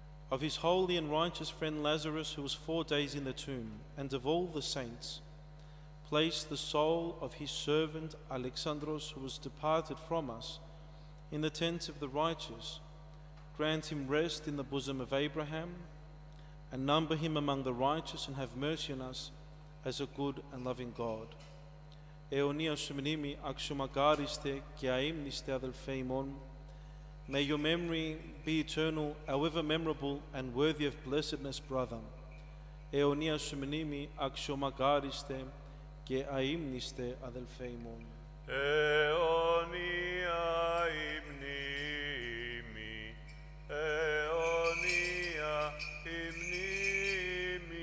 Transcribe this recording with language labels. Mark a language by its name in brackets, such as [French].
[English] of his holy and righteous friend Lazarus, who was 4 days in the tomb, and of all the saints, place the soul of his servant Alexandros, who was departed from us, in the tent of the righteous. Grant him rest in the bosom of Abraham, and number him among the righteous, and have mercy on us, as a good and loving God. [Greek] Αιωνία σου μνήμη, αξιομακάριστε και αείμνηστε αδελφέ ημών. [English] May your memory be eternal, however memorable and worthy of blessedness, brother. [Greek] Αιωνία σου μνήμη, αξιομακάριστε και αείμνηστε αδελφέ ημών. Αιωνία ημνήμη, αιωνία ημνήμη,